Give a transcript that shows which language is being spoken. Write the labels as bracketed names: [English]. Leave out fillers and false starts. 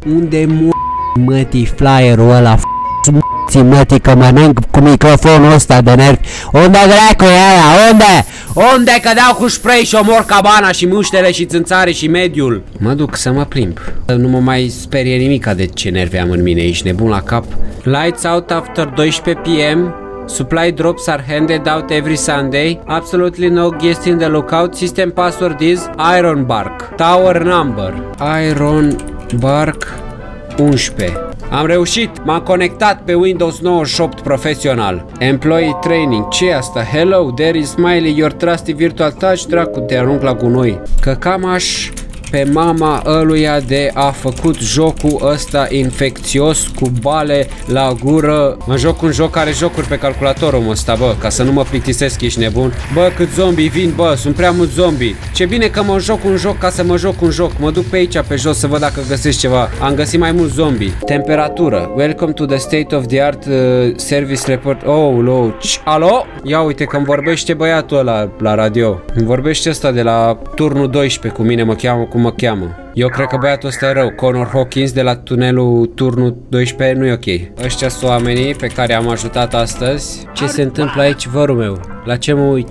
[Romanian] Unde mătii flyerul ăla, f***ți mătii, că mănânc cu microfonul ăsta de nervi. Unde dracu-i aia? Unde? Unde? Că dau cu spray și omor cabana și muștele și țânțare și mediul. Mă duc să mă plimb. Nu mă mai sperie nimica de ce nervi am în mine, ești nebun la cap. [English] Lights out after 12 PM. Supply drops are handed out every Sunday. Absolutely no guest in the lookout. System password is Iron Bark. Tower number Iron Bark 11. [Romanian] Am reușit, m-am conectat pe Windows 98 profesional. [English] Employee training, [Romanian] ce asta? [English] Hello, there is Smiley, your trusty virtual touch. [Romanian] Dracu, te arunc la gunoi. Că cam aș pe mama ăluia de a făcut jocul ăsta infecțios cu bale la gură. Mă joc un joc care jocuri pe calculatorul mă ăsta, bă, ca să nu mă plictisesc, ești nebun. Bă, cât zombii vin, bă, sunt prea mulți zombii. Ce bine că mă joc un joc ca să mă joc un joc. Mă duc pe aici, pe jos, să văd dacă găsesc ceva. Am găsit mai mulți zombii. Temperatură. [English] Welcome to the state of the art service report. Oh, loci. Alo? [Romanian] Ia uite că-mi vorbește băiatul ăla la radio. Îmi vorbește ăsta de la turnul 12 cu mine, mă cheamă. Cum mă cheamă? Eu cred că băiatul ăsta e rău. Connor Hawkins de la tunelul turnul 12 nu e ok. Ăștia sunt oamenii pe care am ajutat astăzi. Ce se întâmplă aici, vărul meu? La ce mă uit?